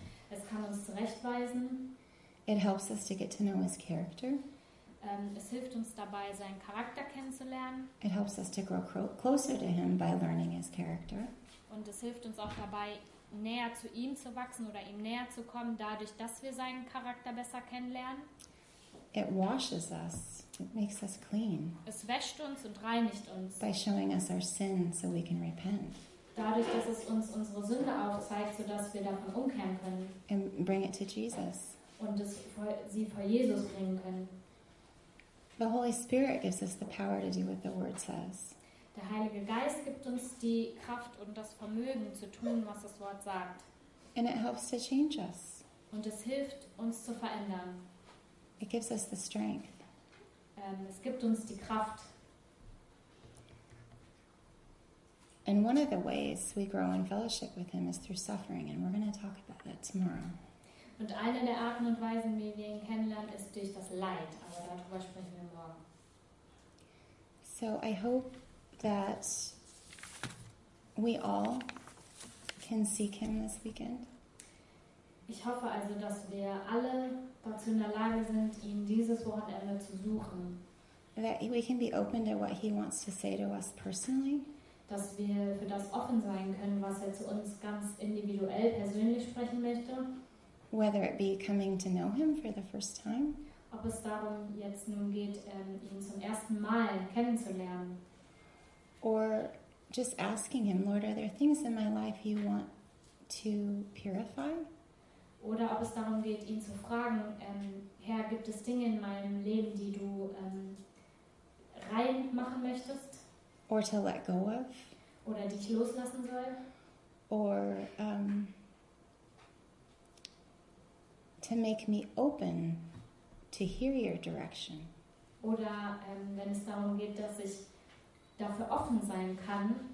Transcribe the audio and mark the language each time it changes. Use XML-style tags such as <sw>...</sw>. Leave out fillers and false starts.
<de>Es kann uns zurechtweisen.</de> <en>It helps us to get to know his character.</en> <de>Es hilft uns dabei, seinen Charakter kennenzulernen.</de> <en>It helps us to grow closer to him by learning his character.</en> <de>Und es hilft uns auch dabei, näher zu ihm zu wachsen oder ihm näher zu kommen, dadurch, dass wir seinen Charakter besser kennenlernen.</de> <en>It washes us. It makes us clean.</en> <de>Es wäscht uns und reinigt uns.</de> <en>By showing us our sin so we can repent.</en> <de>Dadurch, dass es uns unsere Sünde aufzeigt, sodass wir davon umkehren können.</de> <en>And bring it to Jesus.</en> <de>Und es sie vor Jesus bringen können.</de> <en>The Holy Spirit gives us the power to do what the Word says.</en> <de>Der Heilige Geist gibt uns die Kraft und das Vermögen zu tun, was das Wort sagt.</de> <en>And it helps to change us.</en> <de>Und es hilft uns zu verändern.</de> <en>It gives us the strength.</en> <de>Es gibt uns die Kraft.</de> <en>And one of the ways we grow in fellowship with him is through suffering, and we're going to talk about that tomorrow.</en> <de>Und eine der Arten und Weisen, wie wir ihn kennenlernen, ist durch das Leid. Aber darüber sprechen wir morgen.</de> <en>So I hope that we all can seek him this weekend.</en> <de>Ich hoffe also, dass wir alle dazu in der Lage sind, ihn dieses Wochenende zu suchen.</de> <en>That we can be open to what he wants to say to us personally.</en> <de>Dass wir für das offen sein können, was er zu uns ganz individuell, persönlich sprechen möchte.</de> <en>Whether it be coming to know him for the first time.</en> <de>Ob es darum jetzt nun geht, ihn zum ersten Mal kennenzulernen.</de> <en>Or just asking him, Lord, are there things in my life you want to purify?</en> <de>Oder ob es darum geht, ihn zu fragen, Herr, gibt es Dinge in meinem Leben, die du rein machen möchtest?</de> <en>Or to let go of.</en> <de>Oder dich loslassen soll.</de> <en>Or to make me open to hear your direction.</en> <de>Oder wenn es darum geht, dass ich dafür offen sein kann,</de>